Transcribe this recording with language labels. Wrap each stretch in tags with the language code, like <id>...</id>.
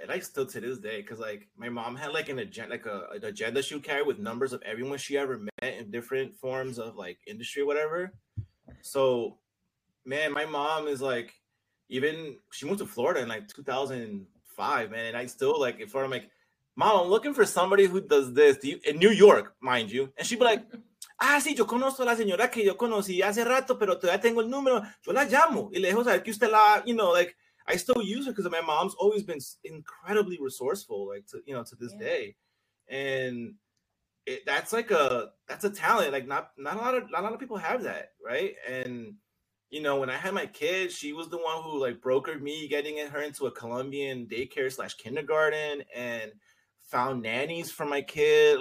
<en>And I still, to this day, because, like, my mom had, like, an agenda she would carry with numbers of everyone she ever met in different forms of, like, industry or whatever. So, man, my mom is, like, even she moved to Florida in, like, 2005, man. And I still, like, in Florida, I'm like, Mom, I'm looking for somebody who does this. Do you, in New York, mind you.</en> <es>And she'd be like, ah, sí, yo conozco a la señora que yo conocí hace rato, pero todavía tengo el número. Yo la llamo. Y le dejo saber que usted la,</es> <en>you know, like, I still use her because my mom's always been incredibly resourceful, like, to, you know, to this day. And that's a talent. Like, not a lot of people have that, right? And, you know, when I had my kid, she was the one who, like, brokered me getting her into a Colombian daycare / kindergarten and found nannies for my kid.</en>